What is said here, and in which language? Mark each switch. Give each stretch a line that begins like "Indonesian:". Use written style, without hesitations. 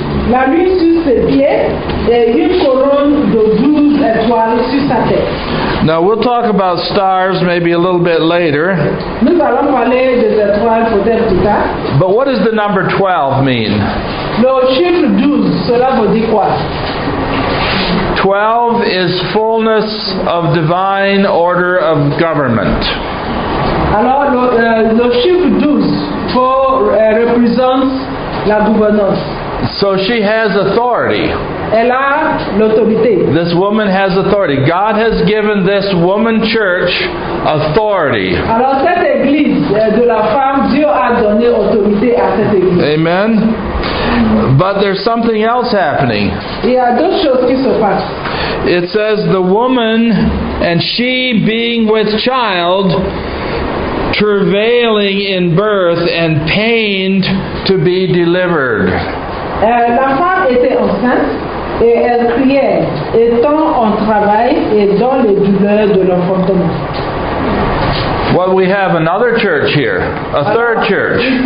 French: La lune sur ses pieds et une couronne de 12 étoiles sur sa tête.
English: Now we'll talk about stars maybe a little bit later.
French: Nous allons parler des étoiles peut-être plus tard.
English: But what does the number 12 mean?
French: Le chiffre 12, cela veut dire quoi?
English: 12 is fullness of divine order of government.
French: Alors, le chiffre 12 représente la gouvernance.
English: So she has authority.
French: Elle a l'autorité.
English: This woman has authority. God has given this woman church authority.
French: Alors, cette église de la femme, Dieu a donné autorité à cette église.
English: Amen. But there's something else happening.
French: Il y a d'autres choses qui se passent.
English: It says the woman and she being with child, travailing in birth and pained to be delivered.
French: La femme était enceinte et elle criait, étant en travail et dans les douleurs de l'enfantement.
English: Well, we have another church here, a third church.